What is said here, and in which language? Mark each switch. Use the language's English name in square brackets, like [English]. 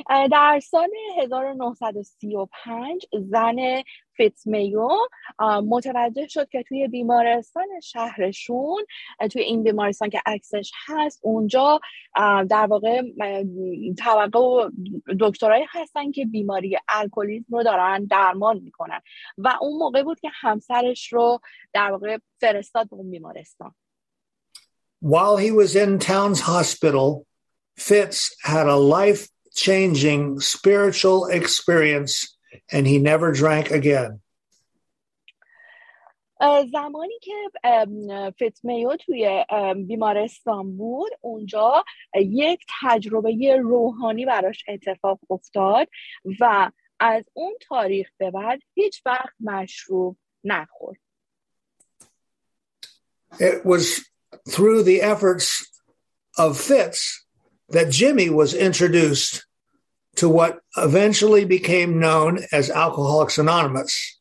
[Persian] در سال 1935 زن فیتز میو متوجه شد که توی بیمارستان شهرشون، توی این بیمارستان که عکسش هست اونجا، در واقع توقع دکترای هستن که بیماری الکلیسم رو دارن درمان میکنن و اون موقع بود که همسرش رو در واقع فرستاد به اون بیمارستان. [English] While he was in Towns Hospital, Fitz had a life changing spiritual experience and he never drank again. [Persian] زمانی که فیتز میو توی بیمارستان بود اونجا یک تجربه روحانی براش اتفاق افتاد و از اون تاریخ به بعد هیچ وقت مشروب نخورد. [English] It was through the efforts of Fitz that Jimmy was introduced to what eventually became known as Alcoholics Anonymous.